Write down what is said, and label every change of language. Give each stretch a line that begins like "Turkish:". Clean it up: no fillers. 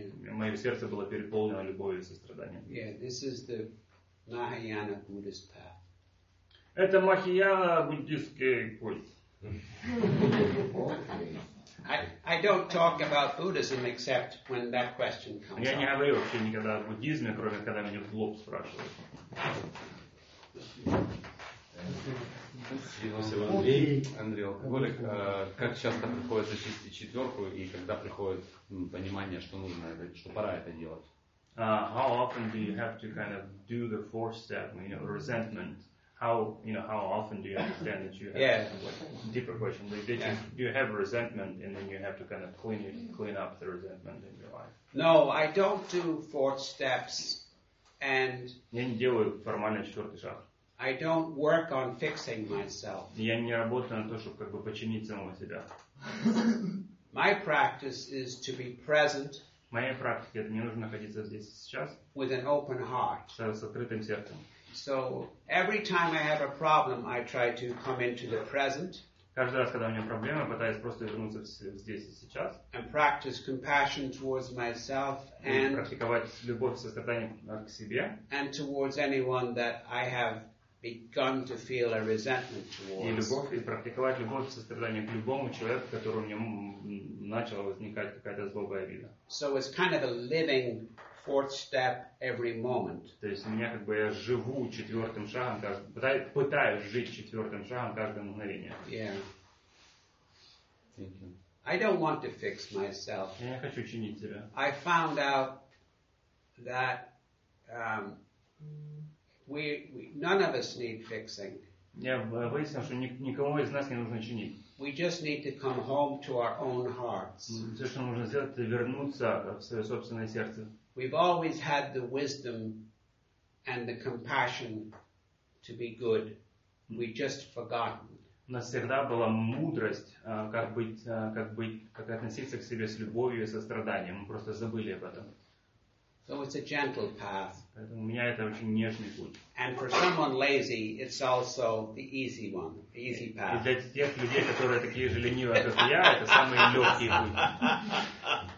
Russian: Мое сердце было переполнено любовью и состраданием.
English: Yeah, this is the Mahayana Buddhist path.
Russian: Это Махаяна буддийский путь.
English: I don't talk about Buddhism except when that question comes.
Russian: Я не говорю вообще никогда о буддизме, кроме когда меня в лоб спрашивают. Спасибо, Андрей. Андрей, алкоголик, как часто приходит зачистить четверку и когда приходит понимание, что нужно это, что пора это делать?
English: How often do you have to kind of do the fourth step, you know, resentment? How often do you understand that you have deeper question? Do you have resentment and then you have to kind of clean up the resentment in your life? No, I don't do fourth steps. And
Russian: я не делаю формальный четвертый шаг.
English: I don't work on fixing myself.
Russian: Я не работаю на то, чтобы как бы починить самого себя.
English: My practice is to be present.
Russian: Моя практика это мне нужно находиться здесь сейчас.
English: With an open heart.
Russian: С открытым сердцем.
English: So every time I have a problem, I try to come into the present.
Russian: Каждый раз, когда у меня проблема, пытаюсь просто вернуться здесь и сейчас.
English: And practice compassion towards myself and
Russian: практиковать любовь, сострадание к себе.
English: And towards anyone that I have begun to feel a resentment towards.
Russian: И практиковать любовь, сострадание к любому человеку, который у меня начала возникать какая-то злобая обида.
English: So it's kind of a living fourth step every moment.
Russian: То есть у меня как бы я живу четвертым шагом, пытаюсь жить четвертым шагом каждое мгновение.
English: I don't want to fix myself.
Russian: Я не хочу чинить себя.
English: I found out that none of us need fixing.
Russian: Я выяснил, что никому из нас не нужно чинить.
English: We just need to come home to our own hearts.
Russian: Все, что нужно сделать, это вернуться в свое собственное сердце.
English: We've always had the wisdom and the compassion to be good. We've just forgotten.
Russian: У нас всегда была мудрость, как относиться к себе с любовью и состраданием. Мы просто забыли об этом. So it's a gentle path. Поэтому у меня это очень нежный путь. And for someone lazy, it's also the easy one, the easy path. И для тех людей, которые такие же ленивые, как я, это самый легкий путь.